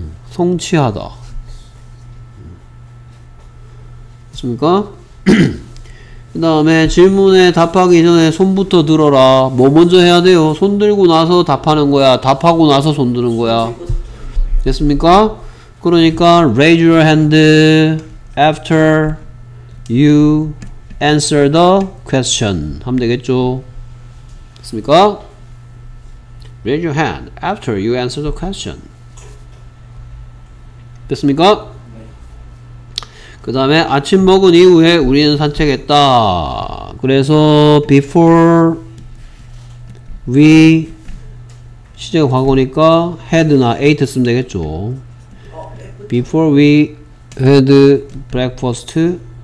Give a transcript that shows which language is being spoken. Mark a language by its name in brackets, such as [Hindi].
[Korean] 성취하다. 됐습니까? 그 다음에 질문에 답하기 전에 손부터 들어라. 뭐 먼저 해야 돼요? 손 들고 나서 답하는 거야? 답하고 나서 손 드는 거야? 됐습니까? [English] 그러니까 raise your hand after you answer the question 하면 되겠죠? [Korean] 됐습니까? [English] raise your hand after you answer the question 됐습니까? [Korean] 그 다음에 아침 먹은 이후에 우리는 산책했다. 그래서 before we 시제 과거니까 had나 ate 쓰면 되겠죠. [English] Before we had breakfast